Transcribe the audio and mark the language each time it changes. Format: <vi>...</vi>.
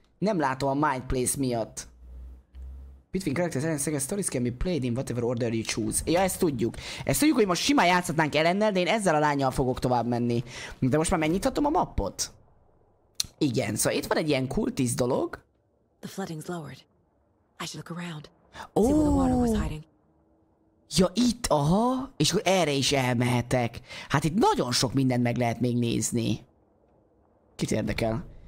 <hu>Nem látom a Mind Place miatt.</hu> <en>Between characters and second stories can be played in whatever order you choose.</en> <hu>Ja, ezt tudjuk. Ezt tudjuk, hogy most simán játszhatnánk Ellennel, de én ezzel a lányjal fogok tovább menni. De most már megnyithatom a mappot? Igen, szóval itt van egy ilyen kultisz dolog.</hu> <en>The flooding's lowered. I should look around. Oh.</en> <hu>Ja, itt, aha, és akkor erre is elmehetek. Hát itt nagyon sok mindent meg lehet még nézni. Kit érdekel?</hu>